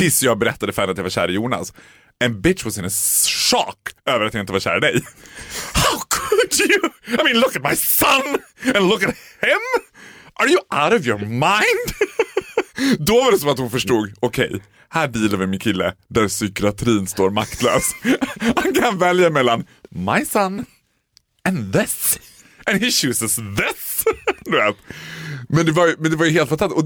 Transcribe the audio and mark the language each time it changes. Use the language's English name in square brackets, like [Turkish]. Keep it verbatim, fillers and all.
[Swedish] tills jag berättade för henne att jag var kär i Jonas. En [English] bitch was in a shock [Swedish] över att jag inte var kär i dig. [English] How could you? I mean look at my son and look at him. Are you out of your mind? [Swedish] Då var det som att hon förstod, okej, okay, här dealar vi med kille där psykiatrin står maktlös. Han kan välja mellan [English] my son and this. And he chooses this. [Swedish] Men det var ju, men det var ju helt fantastiskt.